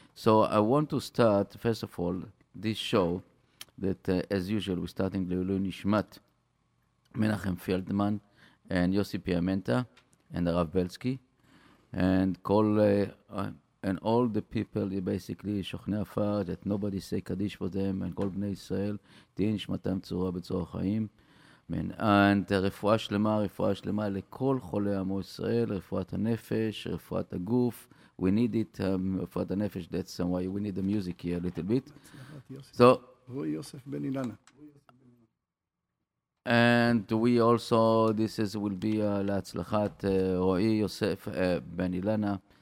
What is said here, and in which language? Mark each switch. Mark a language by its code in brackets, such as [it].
[en] So I want to start, first of all, this show that, as usual, we're starting Le'ilu Nishmat, Menachem Feldman, and Yossi Piamenta, and Rav Belsky, and all the people, basically, Shochnei Afar, that nobody say Kaddish for them, and Kol Bnei Yisrael, Tehi Nishmatam Tzura B'Tzor Chaim, Amen. [he] And רפואה שלמה, רפואה שלמה לכל חולי עמו ישראל, רפואת הנפש, רפואת הגוף. [en] We need it, רפואת הנפש, that's why we need the music here a little bit. So, רואי יוסף בן אילנה. And we also, this is will be להצלחת רואי יוסף בן אילנה.